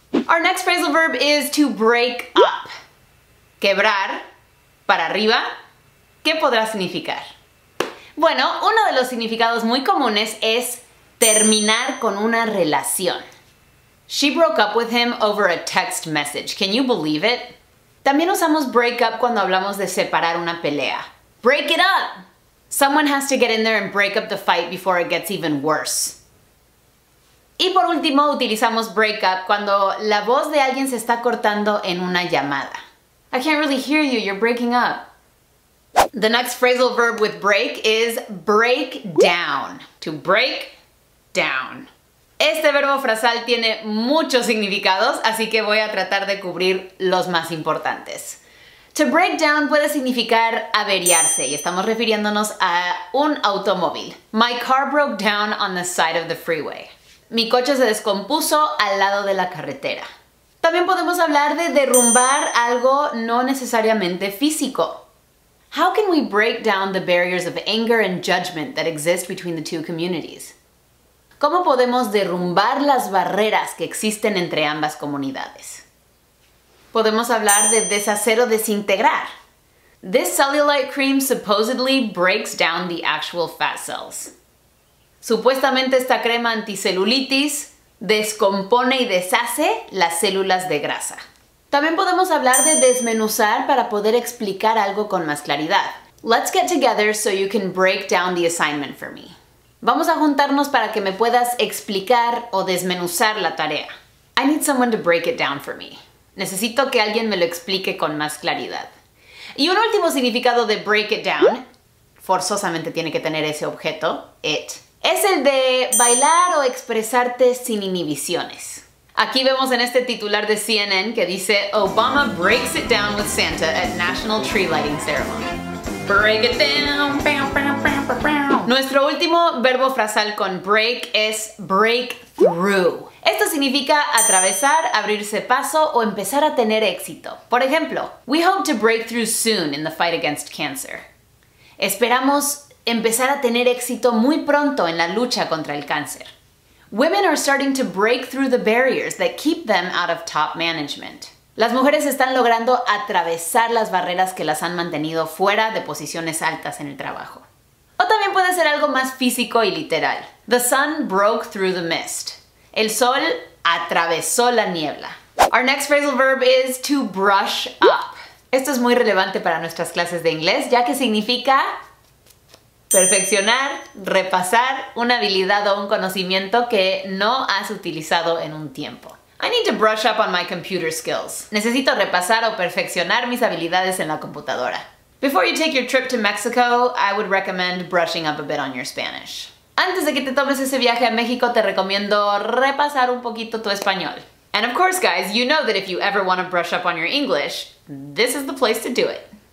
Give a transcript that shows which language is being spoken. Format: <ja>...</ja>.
<en>Our next phrasal verb is to break up.</en> <es>Quebrar, para arriba, ¿qué podrá significar? Bueno, uno de los significados muy comunes es terminar con una relación.</es> <en>She broke up with him over a text message. Can you believe it?</en> <es>También usamos break up cuando hablamos de separar una pelea.</es> <en>Break it up! Someone has to get in there and break up the fight before it gets even worse.</en> <es>Y por último, utilizamos break up cuando la voz de alguien se está cortando en una llamada.</es> <en>I can't really hear you, you're breaking up. The next phrasal verb with break is break down. To break down.</en> <es>Este verbo frasal tiene muchos significados, así que voy a tratar de cubrir los más importantes. To break down puede significar averiarse, y estamos refiriéndonos a un automóvil.</es> <en>My car broke down on the side of the freeway.</en> <es>Mi coche se descompuso al lado de la carretera. También podemos hablar de derrumbar algo no necesariamente físico.</es> <en>How can we break down the barriers of anger and judgment that exist between the two communities?</en> <es>¿Cómo podemos derrumbar las barreras que existen entre ambas comunidades? Podemos hablar de deshacer o desintegrar.</es> <en>This cellulite cream supposedly breaks down the actual fat cells.</en> <es>Supuestamente esta crema anticelulitis descompone y deshace las células de grasa. También podemos hablar de desmenuzar para poder explicar algo con más claridad.</es> <en>Let's get together so you can break down the assignment for me.</en> <es>Vamos a juntarnos para que me puedas explicar o desmenuzar la tarea.</es> <en>I need someone to break it down for me.</en> <es>Necesito que alguien me lo explique con más claridad. Y un último significado de break it down, forzosamente tiene que tener ese objeto, it, es el de bailar o expresarte sin inhibiciones. Aquí vemos en este titular de CNN que dice</es> <en>Obama breaks it down with Santa at National Tree Lighting Ceremony. Break it down, bam, bam, bam, bam, bam.</en> <es>Nuestro último verbo frasal con break es break through. Esto significa atravesar, abrirse paso o empezar a tener éxito. Por ejemplo,</es> <en>we hope to break through soon in the fight against cancer.</en> <es>Esperamos empezar a tener éxito muy pronto en la lucha contra el cáncer.</es> <en>Women are starting to break through the barriers that keep them out of top management.</en> <es>Las mujeres están logrando atravesar las barreras que las han mantenido fuera de posiciones altas en el trabajo. O también puede ser algo más físico y literal.</es> <en>The sun broke through the mist.</en> <es>El sol atravesó la niebla.</es> <en>Our next phrasal verb is to brush up.</en> <es>Esto es muy relevante para nuestras clases de inglés, ya que significa perfeccionar, repasar una habilidad o un conocimiento que no has utilizado en un tiempo.</es> <en>I need to brush up on my computer skills.</en> <es>Necesito repasar o perfeccionar mis habilidades en la computadora.</es> <en>Before you take your trip to Mexico, I would recommend brushing up a bit on your Spanish.</en> <es>Antes de que te tomes ese viaje a México, te recomiendo repasar un poquito tu español.</es> <en>And of course, guys, you know that if you ever want to brush up on your English, this is the place to do it.</en>